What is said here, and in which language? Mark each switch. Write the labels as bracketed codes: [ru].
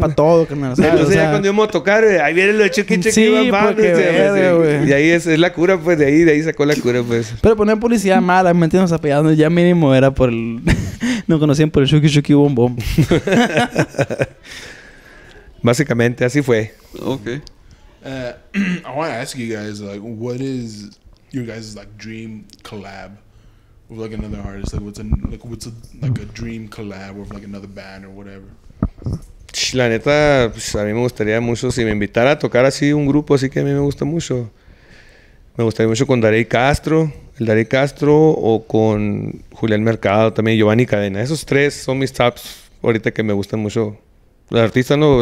[es] para todo, carnal, ¿sabes? Entonces, o sea, ya cuando íbamos a tocar, ahí viene lo de Chucky, Chucky, sí, bam, bam, porque, dice, bebé, sí, bebé. Y ahí es la cura, pues, de ahí sacó la cura, pues. Pero poner publicidad mala, me entiendes, apegando, ya mínimo, era por el... No conocían por el Shuki Shuki Bom Bom. Básicamente, así fue. Okay. [en] I want to ask you guys, like, what is your guys' like dream collab with like another artist? Like, what's a, like a dream collab with like another band or whatever? [es] La neta, pues, a mí me gustaría mucho si me invitara a tocar así un grupo, así que a mí me gusta mucho. Me gustaría mucho con Darey Castro. El Darey Castro o con Julián Mercado también, Giovanni Cadena. Esos tres son mis tops ahorita que me gustan mucho. Los artistas, ¿no?